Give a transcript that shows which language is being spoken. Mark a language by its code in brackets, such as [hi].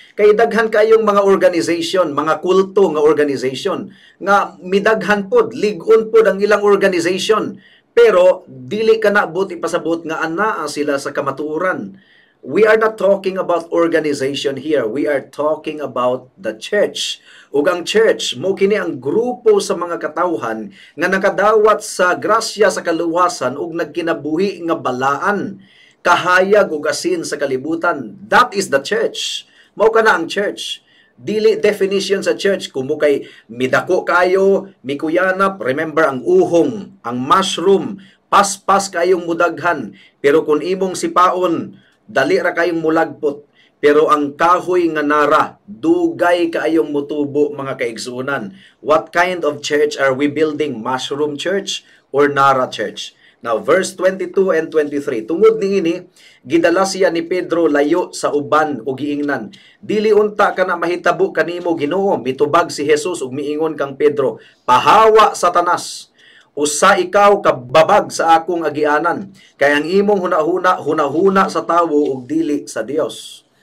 [ceb] Kay daghan kayong mga organization, mga kulto nga organization, nga midaghan pod, ligon pod ang ilang organization. Pero dili ka na but ipasabot nga anaa sila sa kamatuoran. [en] We are not talking about organization here. We are talking about the church. [ceb] Ug ang church, mo kini ang grupo sa mga katawhan nga nakadawat sa grasya sa kaluwasan ug nagkinabuhi nga balaan, kahayag ug asin sa kalibutan. [en] That is the church. [ceb] Mao kana ang church. Dili definition sa church kung mo kay midako kayo, mikuyanap, remember ang uhong, ang mushroom, paspas kayong mudaghan. Pero kung imong sipaon, dali ra kayong mulagpot, pero ang kahoy nga nara, dugay kayong mutubo, mga kaigsuonan. [en] What kind of church are we building? Mushroom church or nara church? Now, verse 22 and 23. [ceb] Tungod niini, gidala siya ni Pedro layo sa uban o giingnan. Dili unta ka na mahitabo kanimo Ginoo, mitubag si Jesus o miingon kang Pedro, pahawa Satanas. Usa ikaw kababag sa akong agianan, kay ang imong hunahuna sa tawo ug dili sa Dios.